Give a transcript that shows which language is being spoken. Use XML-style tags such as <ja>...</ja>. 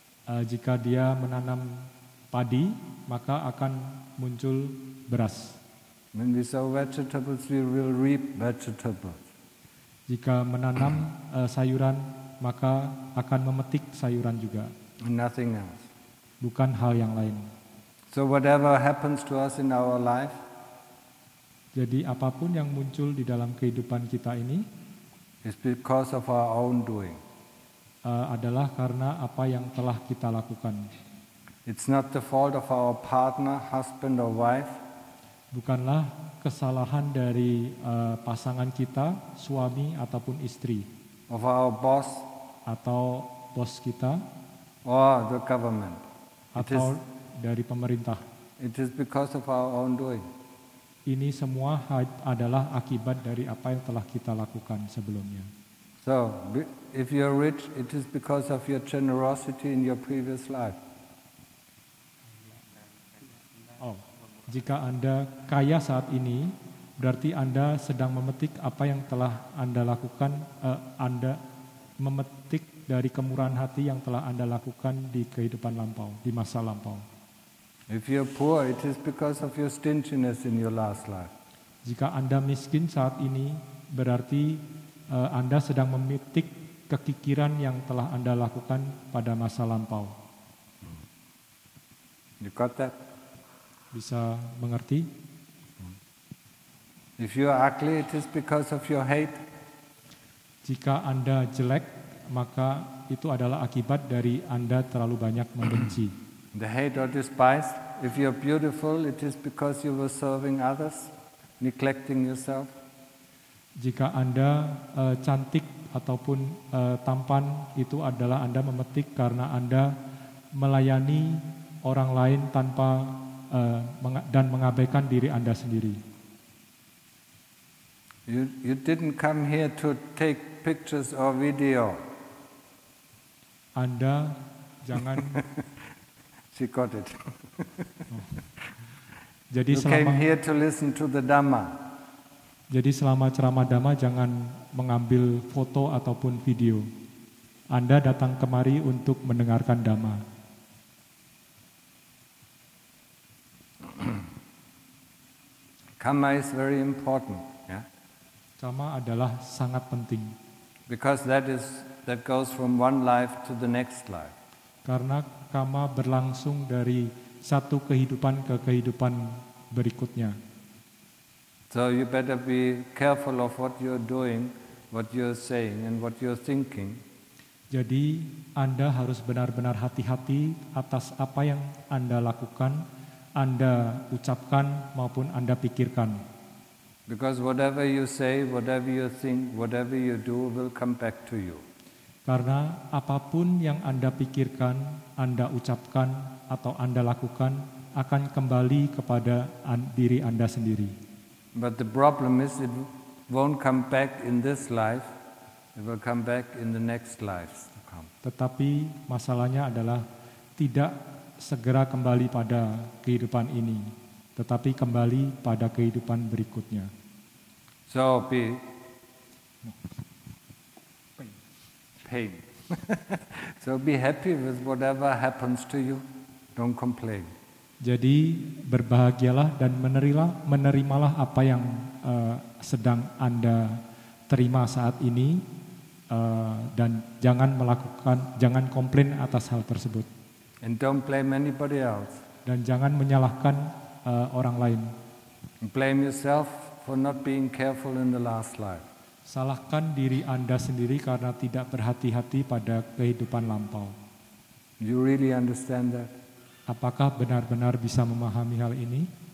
<id>Jika dia menanam padi, maka akan muncul beras.</id> <en>When we sow vegetables, we will reap vegetables.</en> <id>Jika menanam sayuran, maka akan memetik sayuran juga.</id> <en>Nothing else.</en> <id>Bukan hal yang lain.</id> <en>So whatever happens to us in our life,</en> <id>jadi apapun yang muncul di dalam kehidupan kita ini,</id> <en>it's because of our own doing.</en> <id>Adalah karena apa yang telah kita lakukan.</id> <en>It's not the fault of our partner, husband or wife.</en> <id>Bukanlah kesalahan dari pasangan kita, suami ataupun istri.</id> <en>Of our boss.</en> <id>Atau bos kita.</id> <en>Or the government.</en> <id>Atau</id> <en>it is,</en> <id>dari pemerintah.</id> <en>It is because of our own doing.</en> <id>Ini semua adalah akibat dari apa yang telah kita lakukan sebelumnya.</id> <en>So, if you're rich, it is because of your generosity in your previous life.</en> <id>Oh, jika Anda kaya saat ini, berarti Anda sedang memetik apa yang telah Anda lakukan, Anda memetik dari kemurahan hati yang telah Anda lakukan di kehidupan lampau, di masa lampau.</id> <en>If you're poor, it is because of your stinginess in your last life.</en> <id>Jika Anda miskin saat ini, berarti Anda sedang memetik kekikiran yang telah Anda lakukan pada masa lampau.</id> <en>You got that?</en> <id>Bisa mengerti?</id> <en>If you are ugly, it is because of your hate.</en> <id>Jika Anda jelek, maka itu adalah akibat dari Anda terlalu banyak membenci.</id> <en>The hate or despise. If you are beautiful, it is because you were serving others. neglecting yourself.</en> <id>Jika Anda cantik ataupun tampan, itu adalah Anda memetik karena Anda melayani orang lain tanpa dan mengabaikan diri Anda sendiri.</id> <en>You didn't come here to take pictures or video.</en> <id>Anda jangan.</id> <en>She got it.</en> <id>Jadi</id> <en>you came here to listen to the Dhamma.</en> <id>Jadi selama ceramah Dhamma jangan mengambil foto ataupun video. Anda datang kemari untuk mendengarkan Dhamma.</id> <en>Karma is very important, yeah.</en> <id>Karma adalah sangat penting.</id> <en>Because that goes from one life to the next life.</en> <id>Karena karma berlangsung dari satu kehidupan ke kehidupan berikutnya.</id> <en>So you better be careful of what you're doing, what you're saying, and what you're thinking.</en> <id>Jadi Anda harus benar-benar hati-hati atas apa yang Anda lakukan, Anda ucapkan maupun Anda pikirkan.</id> <en>Because whatever you say, whatever you think, whatever you do will come back to you.</en> <id>Karena apapun yang Anda pikirkan, Anda ucapkan atau Anda lakukan akan kembali kepada diri Anda sendiri.</id> <en>But the problem is it won't come back in this life. It will come back in the next lives to come.</en> <id>Tetapi masalahnya adalah tidak segera kembali pada kehidupan ini, tetapi kembali pada kehidupan berikutnya.</id> <en>So be pain. So be happy with whatever happens to you. Don't complain.</en> <id>Jadi berbahagialah dan menerimalah apa yang sedang Anda terima saat ini, dan jangan komplain atas hal tersebut.</id> <en>And don't blame anybody else.</en> <id>Dan jangan menyalahkan orang lain.</id> <en>And blame yourself for not being careful in the last life.</en> <id>Salahkan diri Anda sendiri karena tidak berhati-hati pada kehidupan lampau.</id> <en>You really understand that?</en> <id>Apakah benar-benar bisa memahami hal ini?</id>